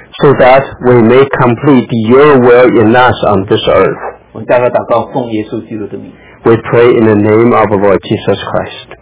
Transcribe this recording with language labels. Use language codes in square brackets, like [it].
[en] So that we may complete your will in us on this earth. [zh] 我们大家祷告奉耶稣基督的名。 [en] We pray in the name of the Lord Jesus Christ.